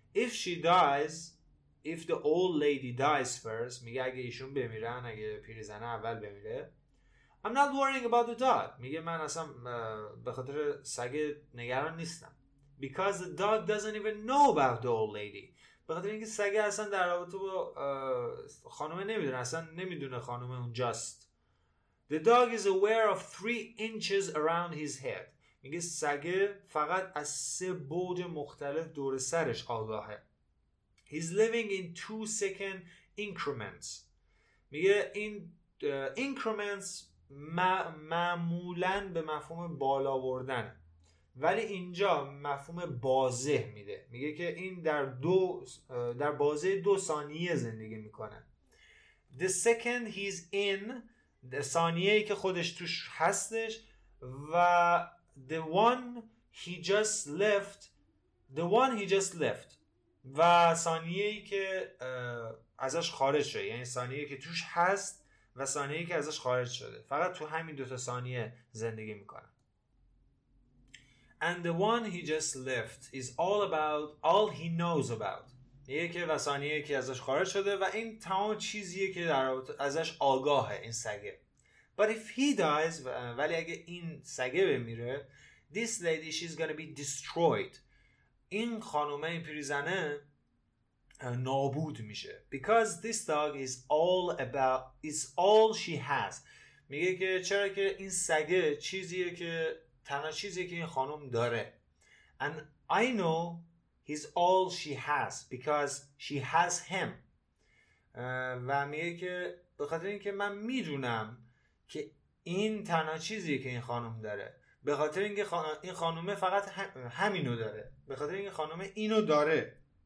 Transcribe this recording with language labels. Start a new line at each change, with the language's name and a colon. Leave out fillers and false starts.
English: If she dies, if the old lady dies first,
Persian: میگه اگه ایشون بمیرن، اگه پیرزنه اول بمیره،
English: I'm not worrying about the dog.
Persian: میگه من اصلا به خاطر سگ نگران نیستم.
English: Because the dog doesn't even know about the old lady.
Persian: به خاطر اینکه سگ اصلا در رابطه با خانومه نمیدونه، اصلا نمیدونه خانومه اونجاست.
English: The dog is aware of 3 inches around his head.
Persian: میگه سگ فقط از 3 بعد مختلف دور سرش آگاهه.
English: He's living in 2 second increments.
Persian: میگه این increments معمولا به مفهوم بالا بردنه، ولی اینجا مفهوم بازه میده. میگه که این در بازه 2 ثانیه زندگی میکنه.
English: The second he's in،
Persian: ثانیه‌ای که خودش توش هستش، و
English: the one he just left
Persian: و ثانیه‌ای که ازش خارج شده، یعنی ثانیه‌ای که توش هست و ثانیه‌ای که ازش خارج شده، فقط تو همین 2 ثانیه زندگی میکنه.
English: And the one he just left is all about all he knows about.
Persian: یه که وسانیه که ازش خارج شده و این تمام چیزیه که در ازش آگاهه این سگه.
English: But if he dies،
Persian: ولی اگه این سگه بمیره،
English: this lady she's gonna be destroyed.
Persian: این خانومه این پیرزنه نابود میشه.
English: Because this dog is all about is all she has.
Persian: میگه که چرا که این سگه چیزیه که تنها چیزی که این خانم داره.
English: And I know he's all she has because she has him.
Persian: و میگه که به خاطر اینکه من میدونم که این تنها چیزی که این خانم داره، به خاطر اینکه این خانومه فقط همینو داره، به خاطر اینکه خانومه اینو داره.